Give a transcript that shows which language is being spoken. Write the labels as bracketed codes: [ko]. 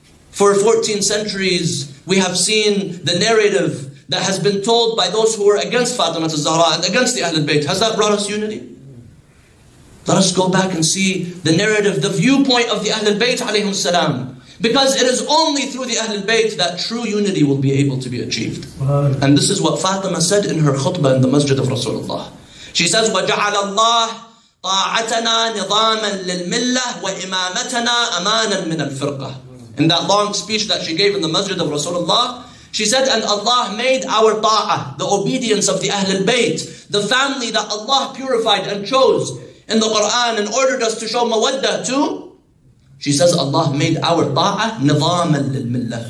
[en] For 14 centuries, we have seen the narrative that has been told by those who were against Fatima al-Zahra and against the Ahlul Bayt. Has that brought us unity? Let us go back and see the narrative, the viewpoint of the Ahlul Bayt alayhim salam. Because it is only through the Ahlul Bayt that true unity will be able to be achieved. And this is what Fatima said in her khutbah in the Masjid of Rasulullah. She says, [ar] وَجَعَلَ اللَّهِ طَاعَتَنَا نِظَامًا لِلْمِلَّةِ وَإِمَامَتَنَا أَمَانًا مِنَ الْفِرْقَةِ. [en] In that long speech that she gave in the Masjid of Rasulullah, she said, and Allah made our ta'ah, the obedience of the Ahlul Bayt, the family that Allah purified and chose in the Quran and ordered us to show mawaddah to. She says, Allah made our [ar] ta'ah nizaman lil-millah.